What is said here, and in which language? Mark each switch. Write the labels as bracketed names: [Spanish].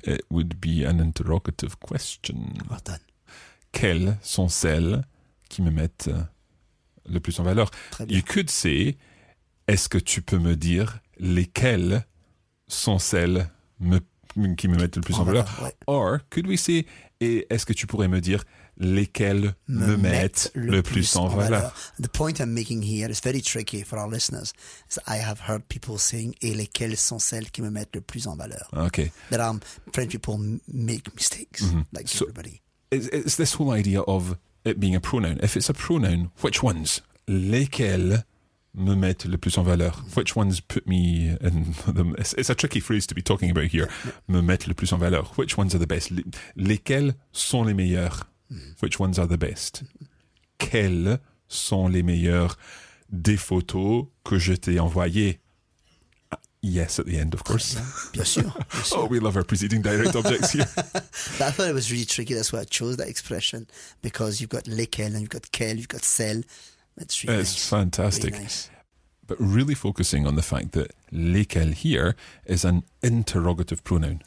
[English] It would be an interrogative question. Well done. [French] Quelles sont celles qui me mettent le plus en valeur? [English] You could say, [French] est-ce que tu peux me dire lesquelles sont celles qui me mettent le plus en valeur? Ouais. [English] Or, could we say, [French] et est-ce que tu pourrais me dire lesquelles me mettent le plus en valeur? [English] The point I'm making here is very tricky for our listeners. So I have heard people saying, [French] et lesquelles sont celles qui me mettent le plus en valeur? [English] Okay. But French people make mistakes, mm-hmm. like so, everybody. It's this whole idea of it being a pronoun. If it's a pronoun, which ones? Lesquelles [French] me mettent le plus en valeur? [English] Which ones put me in the... It's a tricky phrase to be talking about here. [French] Me mettent le plus en valeur. [English] Which ones are the best? [French] Lesquels sont les meilleurs? [English] Which ones are the best? [French] Quels sont les meilleurs des photos que je t'ai envoyées? [English] Yes, at the end, of course. [French] Bien sûr. [English] Oh, we love our preceding direct objects here. But I thought it was really tricky. That's why I chose that expression, because you've got lesquels and you've got quels, you've got celles. That's really it's nice. It's fantastic. Really nice. But really focusing on the fact that lesquels here is an interrogative pronoun.